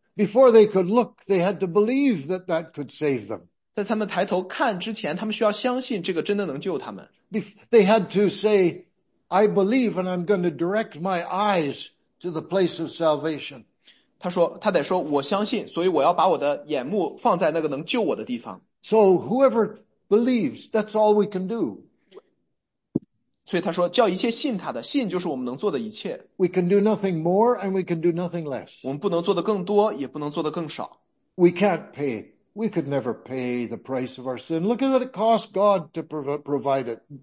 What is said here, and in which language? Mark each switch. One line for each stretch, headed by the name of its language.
English: Before they could look, they had to believe that that could save them.
Chinese: 在他们抬头看之前,他们需要相信这个真的能救他们。
English: They had to say, I believe and I'm going to direct my eyes to the place of salvation.
Chinese: 他得说,我相信,所以我要把我的眼目放在那个能救我的地方。
English: So whoever believes, that's all we can do.
Chinese: 所以他说,叫一切信他的,信就是我们能做的一切。
English: We can do nothing more and we can do nothing less.
Chinese: 我们不能做得更多,也不能做得更少。
English: We can't pay. We could never pay the price of our sin. Look at what it cost God to provide it.